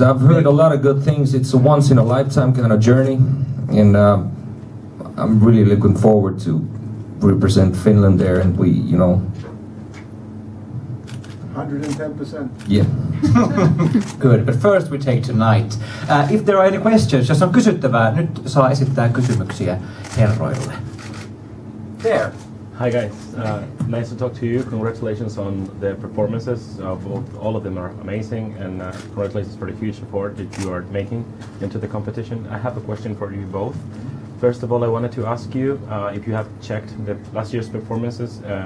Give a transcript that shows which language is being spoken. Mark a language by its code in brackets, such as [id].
[en] I've heard a lot of good things. It's a once-in-a-lifetime kind of journey, and I'm really looking forward to represent Finland there, and we, you know, 110%. Yeah. Good, but first we take tonight. If there are any questions, [fi] jos on kysyttävää, nyt saa esittää kysymyksiä herroille. [en] There. Hi guys, nice to talk to you. Congratulations on the performances. All of them are amazing, and congratulations for the huge support that you are making into the competition. I have a question for you both. First of all, I wanted to ask you if you have checked the last year's performances.